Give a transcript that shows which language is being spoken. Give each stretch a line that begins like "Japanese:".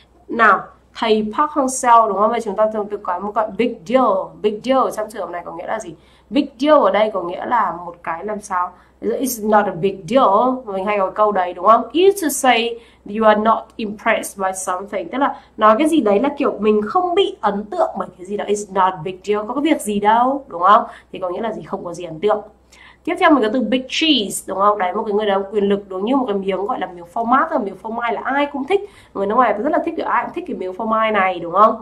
Vietnamese: Nào, thầy Park Hang-seo đúng không? Và chúng ta thường từ có một gọi big deal trong trường hợp này có nghĩa là gì? Big deal ở đây có nghĩa là một cái làm sao?
English: It's not a big deal.
Vietnamese: Mình hay gọi câu đấy đúng không?
English: It's to say you are not impressed by something.
Vietnamese: Tức là nói cái gì đấy là kiểu mình không bị ấn tượng bởi cái gì đó.
English: It's not a big deal.
Vietnamese: Có cái việc gì đâu, đúng không? Thì có nghĩa là gì? Không có gì ấn tượng. Tiếp theo mình có từ big cheese đúng không, đấy một cái người đó quyền lực đúng như một cái miếng gọi là miếng phô mai, là miếng phô mai là ai cũng thích, người nước ngoài rất là thích, kiểu ai cũng thích cái miếng phô mai này đúng không.